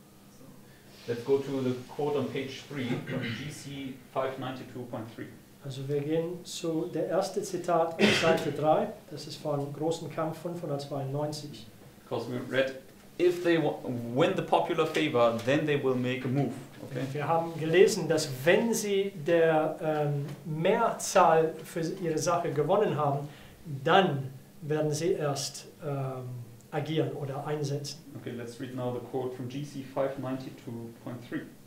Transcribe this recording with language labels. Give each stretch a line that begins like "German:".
English: So let's go to the quote on page 3 from GC 592.3.
German: Also wir gehen zu der erste Zitat auf Seite 3, das ist von Großen Kampf 592.
English: Because we read, if they win the popular favor, then they will make a move. Okay.
German: Wir haben gelesen, dass wenn sie der Mehrzahl für ihre Sache gewonnen haben, dann werden sie erst agieren oder einsetzen.
English: Okay, let's read now the quote from GC 592.3.